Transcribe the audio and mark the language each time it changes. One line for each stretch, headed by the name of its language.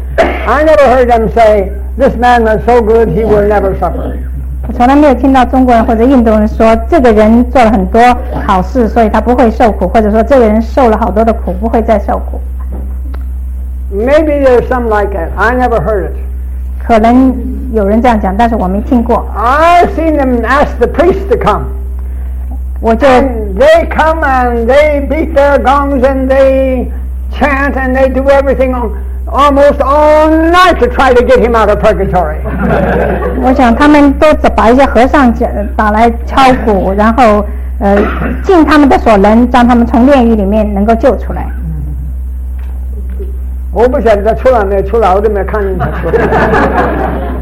English: I never heard them say this man was so good he will never suffer.
Chinese: 我从来没有听到中国人或者印度人说这个人做了很多好事所以他不会受苦，或者说这个人受了好多的苦不会再受苦。
English: Maybe there's some like it. I never heard it.
Chinese: 可能有人这样讲，但是我没听过。
English: I've seen them ask the priest to come.
Chinese: 我就
English: And they come and they beat their gongs and they chant and they do everything onAlmost all night to try to get him out of purgatory.
Chinese: 我想他们都把一些和尚打来敲鼓，然后尽他们的所能，让他们从炼狱里面能够救出来。我不晓得他出来没出来，我都没看见他出来。